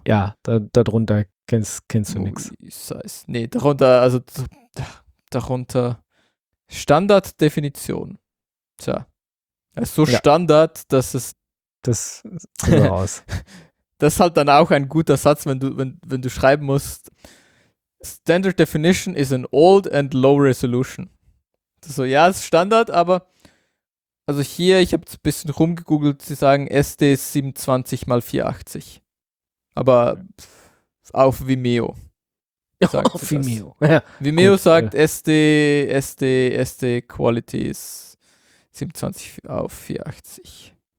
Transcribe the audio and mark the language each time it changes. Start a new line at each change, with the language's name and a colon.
German: Ja, darunter kennst du nichts. Nee, darunter, also darunter Standarddefinition. Tja. Das ist so ja. Standard, dass es. Das sieht so aus. Das ist halt dann auch ein guter Satz, wenn du schreiben musst.
English: Standard Definition is an old and low resolution.
German: Das ist so, ja, ist Standard, aber. Also hier, ich habe es ein bisschen rumgegoogelt, sie sagen SD 720x480. Aber auf Vimeo. Sagt auf Vimeo. Ja. Vimeo gut, sagt ja. SD Quality ist 720x480.